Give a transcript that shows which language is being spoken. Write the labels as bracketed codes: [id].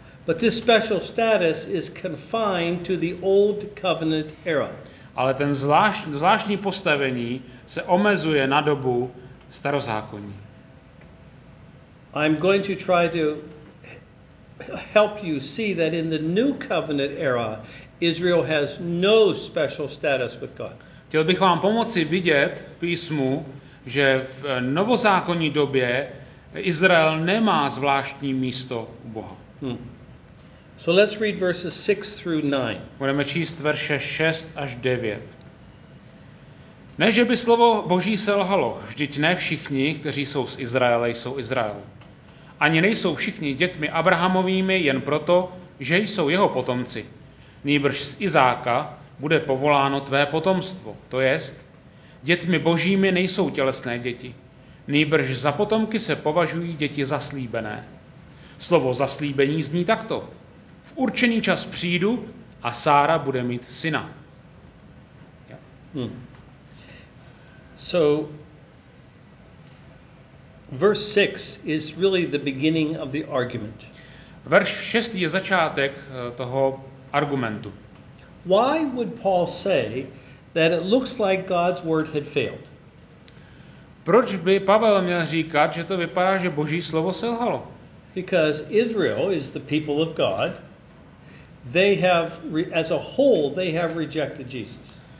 [en] But this special status is confined to the old covenant era. [cs] Ale ten zvláštní postavení se omezuje na dobu starozákonní. [en] I'm going to try to help you see that in the new covenant era Israel has no special status with God. [cs] Chtěl bych vám pomoci vidět v písmu, že v novozákonní době Izrael nemá zvláštní místo u Boha. [en] So let's read verses 6 through 9. [cs] Budeme číst verše 6 až 9. Ne, že by slovo Boží selhalo, vždyť ne všichni, kteří jsou z Izraele, jsou Izrael. Ani nejsou všichni dětmi Abrahamovými jen proto, že jsou jeho potomci. Nýbrž z Izáka bude povoláno tvé potomstvo, to jest, dětmi Božími nejsou tělesné děti. Nýbrž za potomky se považují děti zaslíbené. Slovo zaslíbení zní takto. V určený čas přijdu a Sára bude mít syna. [en] So verse 6 is really the beginning of the argument. [cs] Verš 6 je začátek toho argumentu. [en] Why would Paul say that it looks like God's word had failed? [cs] Proč by Pavel měl říkat, že to vypadá, že Boží slovo selhalo? [en] Because Israel is the people of God. They have as a whole they have rejected Jesus.